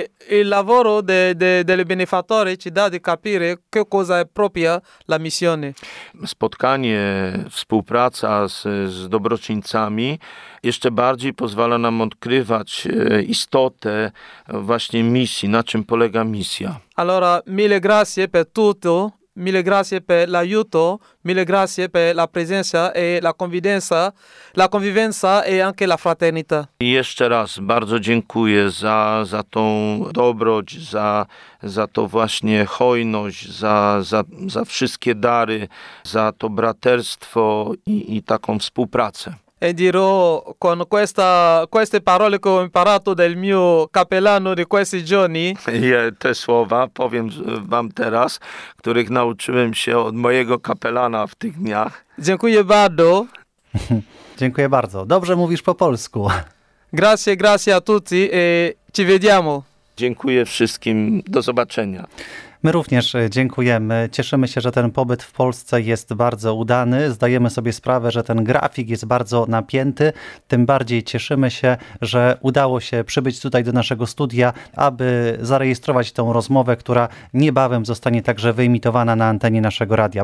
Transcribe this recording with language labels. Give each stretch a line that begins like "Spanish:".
Italian: Il lavoro dei benefattori ci dà di capire che cosa è propria la missione.
Polish: Spotkanie, współpraca z dobroczyńcami jeszcze bardziej pozwala nam odkrywać istotę właśnie misji, na czym polega misja.
Italian: Allora, mille grazie per tutto, mille grazie per l'aiuto, mille grazie per la presenza e la convivenza e anche la fraternità.
Polish: I jeszcze raz bardzo dziękuję za tą dobroć, za to właśnie hojność, za wszystkie dary, za to braterstwo i taką współpracę.
Italian: E dirò con queste parole che ho imparato dal mio capellano di questi giorni.
Polish: Te słowa powiem wam teraz, których nauczyłem się od mojego kapelana w tych dniach. Dziękuję bardzo. Dziękuję bardzo. Dobrze mówisz po polsku.
Italian: Grazie a tutti e ci vediamo.
Polish: Dziękuję wszystkim. Do zobaczenia. My również dziękujemy. Cieszymy się, że ten pobyt w Polsce jest bardzo udany. Zdajemy sobie sprawę, że ten grafik jest bardzo napięty. Tym bardziej cieszymy się, że udało się przybyć tutaj do naszego studia, aby zarejestrować tą rozmowę, która niebawem zostanie także wyemitowana na antenie naszego radia.